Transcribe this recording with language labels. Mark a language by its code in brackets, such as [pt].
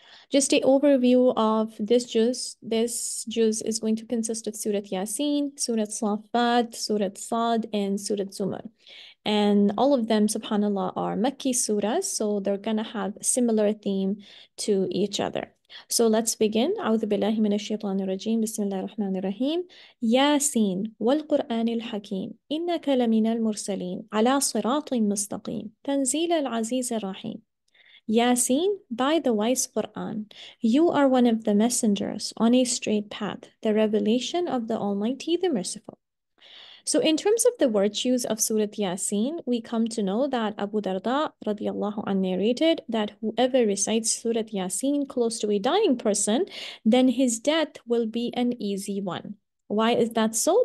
[en] Just a overview of this juz. This juz is going to consist of Surat Yasin, Surat Saffat, Surat Sad, and Surat Zumar. And all of them, subhanAllah, are Makki surahs, so they're going to have a similar theme to each other. So let's begin. [ar] أعوذ بالله من الشيطان الرجيم. بسم الله الرحمن الرحيم. ياسين والقرآن الحكيم إنك لمن المرسلين على صراط مستقيم تنزيل العزيز الرحيم. [en] ياسين, by the wise Quran, you are one of the messengers on a straight path, the revelation of the Almighty, the Merciful. So in terms of the virtues of Surah Yasin, we come to know that Abu Darda radiallahu anh narrated that whoever recites Surah Yasin close to a dying person, then his death will be an easy one. Why is that so?